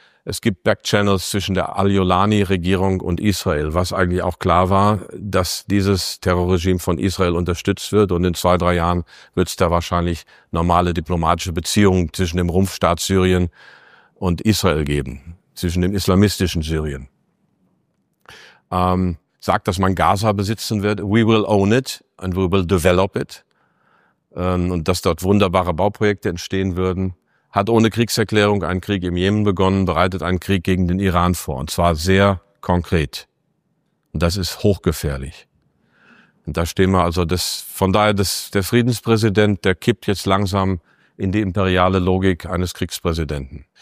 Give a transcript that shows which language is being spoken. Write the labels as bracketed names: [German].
[German] Es gibt Backchannels zwischen der Al-Jolani-Regierung und Israel, was eigentlich auch klar war, dass dieses Terrorregime von Israel unterstützt wird. Und in 2-3 Jahren wird es da wahrscheinlich normale diplomatische Beziehungen zwischen dem Rumpfstaat Syrien und Israel geben, zwischen dem islamistischen Syrien. Sagt, dass man Gaza besitzen wird. [English] We will own it and we will develop it. [German] Und dass dort wunderbare Bauprojekte entstehen würden. Hat ohne Kriegserklärung einen Krieg im Jemen begonnen, bereitet einen Krieg gegen den Iran vor. Und zwar sehr konkret. Und das ist hochgefährlich. Und da stehen wir also, der Friedenspräsident, der kippt jetzt langsam in die imperiale Logik eines Kriegspräsidenten.